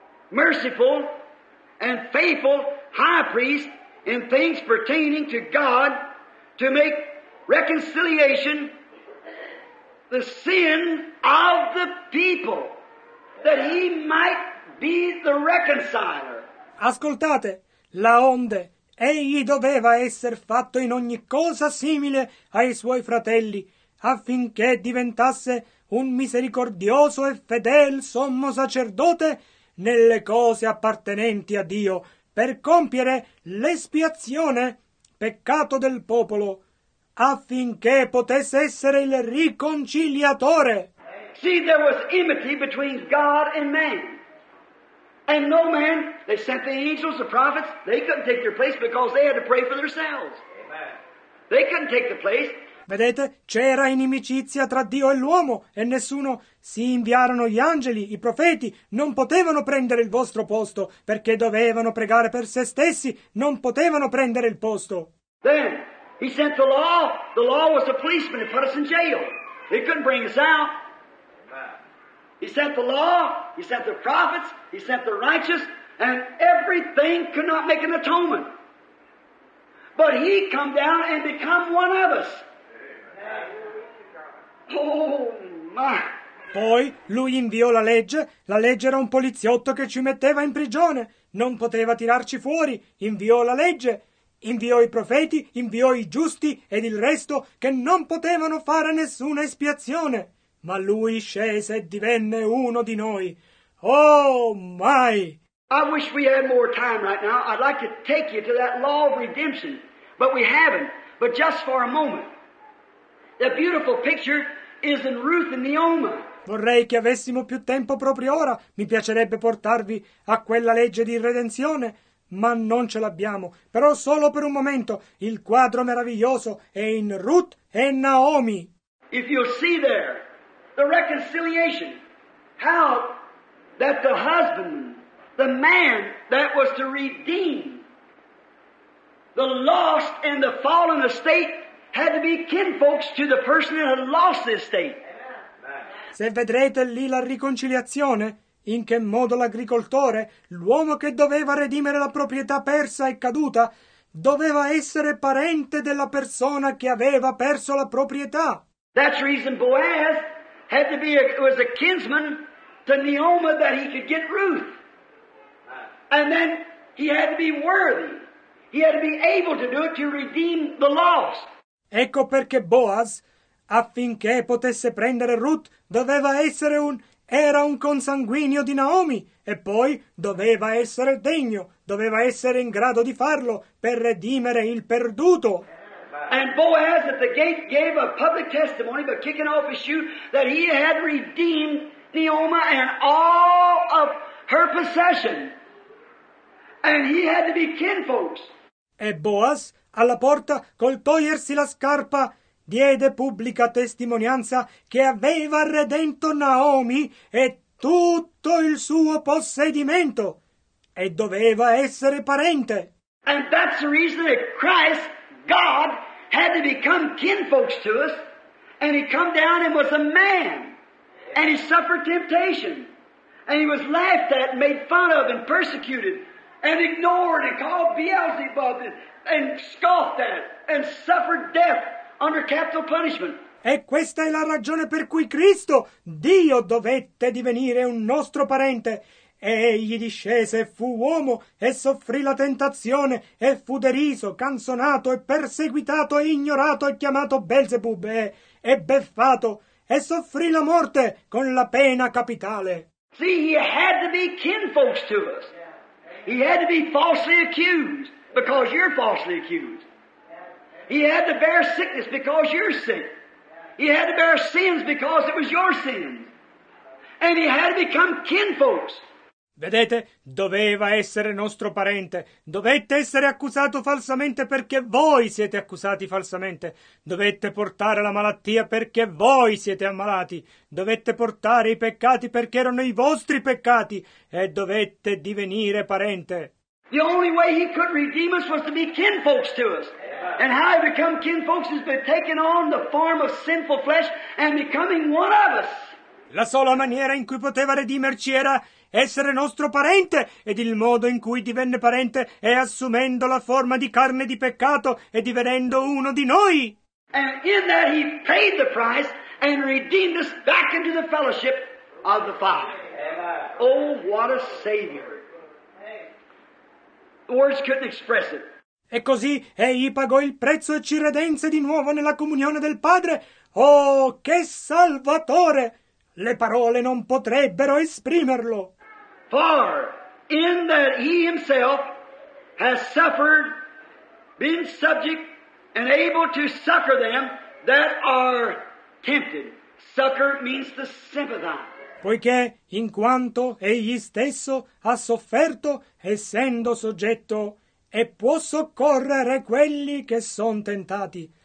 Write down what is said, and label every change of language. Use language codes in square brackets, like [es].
[en] merciful and faithful high priest in things pertaining to God, to make reconciliation the sin of the people, that he might be the reconciler. [it] Ascoltate, laonde egli doveva essere fatto in ogni cosa simile ai suoi fratelli, affinché diventasse un misericordioso e fedel sommo sacerdote nelle cose appartenenti a Dio, per compiere l'espiazione peccato del popolo, affinché potesse essere il riconciliatore. [en] See, there was enmity between God and man. And no man, they sent the angels, the prophets, they couldn't take their place because they had to pray for themselves. Amen. They couldn't take the place. [it] Vedete, c'era inimicizia tra Dio e l'uomo e nessuno, si inviarono gli angeli, i profeti, non potevano prendere il vostro posto perché dovevano pregare per se stessi, non potevano prendere il posto. [en] Then, he sent the law was a policeman, it put us in jail, it couldn't bring us out. He sent the law, he sent the prophets, he sent the righteous, and everything could not make an atonement. But he come down and become one of us. Oh my! [it] Poi lui inviò la legge era un poliziotto che ci metteva in prigione, non poteva tirarci fuori, inviò la legge, inviò i profeti, inviò i giusti ed il resto che non potevano fare nessuna espiazione. Ma lui scese e divenne uno di noi. [en] Oh, my! I wish we had more time right now. I'd like to take you to that law of redemption. But we haven't. But just for a moment. The beautiful picture is in Ruth and Naomi. [it] Vorrei che avessimo più tempo proprio ora. Mi piacerebbe portarvi a quella legge di redenzione. Ma non ce l'abbiamo. Però solo per un momento. Il quadro meraviglioso è in Ruth e Naomi. [en] If you'll see there. The reconciliation, how that the husband, the man that was to redeem the lost and the fallen estate had to be kinfolks to the person that had lost the estate. [it] Se vedrete lì la riconciliazione, in che modo l'agricoltore, l'uomo che doveva redimere la proprietà persa e caduta, doveva essere parente della persona che aveva perso la proprietà. [en] That's reason Boaz had to be was a kinsman to Naomi that he could get Ruth. And then he had to be worthy. He had to be able to do it to redeem the lost. [it] Ecco perché Boaz, affinché potesse prendere Ruth, doveva essere era un consanguineo di Naomi. E poi doveva essere degno, doveva essere in grado di farlo per redimere il perduto. [en] And Boaz at the gate gave a public testimony by kicking off his shoe that he had redeemed Naomi and all of her possession. And he had to be kinfolks. [it] E Boaz, alla porta, col togliersi la scarpa, diede pubblica testimonianza che aveva redento Naomi e tutto il suo possedimento. E doveva essere parente. [en] And that's the reason that Christ, God, had to become kinfolks to us, and he come down and was a man, and he suffered temptation, and he was laughed at and made fun of and persecuted and ignored and called Beelzebub and scoffed at and suffered death under capital punishment. [it] E questa è la ragione per cui Cristo, Dio, dovette divenire un nostro parente. E egli discese e fu uomo e soffrì la tentazione e fu deriso, canzonato e perseguitato e ignorato e chiamato Beelzebub e beffato e soffrì la morte con la pena capitale. [en] See, he had to be kinfolks to us. He had to be falsely accused because you're falsely accused. He had to bear sickness because you're sick. He had to bear sins because it was your sins. And he had to become kinfolks. [it] Vedete, doveva essere nostro parente, dovette essere accusato falsamente perché voi siete accusati falsamente, dovette portare la malattia perché voi siete ammalati, dovette portare i peccati perché erano i vostri peccati e dovette divenire parente. [en] The only way he could redeem us was to be kinfolks to us. And how he became kinfolks is by taking on the form of sinful flesh and becoming one of us. [it] La sola maniera in cui poteva redimerci era essere nostro parente, ed il modo in cui divenne parente è assumendo la forma di carne di peccato e divenendo uno di noi. [en] And in that he paid the price and redeemed us back into the fellowship of the Father. Oh, what a Savior. The words couldn't express it. [it] E così egli pagò il prezzo e ci redense di nuovo nella comunione del Padre. Oh, che Salvatore! Le parole non potrebbero esprimerlo. [en] For in that he himself has suffered, been subject, and able to succor them that are tempted. Succor means to sympathize. [it] Poiché in quanto egli stesso ha sofferto, essendo soggetto, e può soccorrere quelli che sono tentati.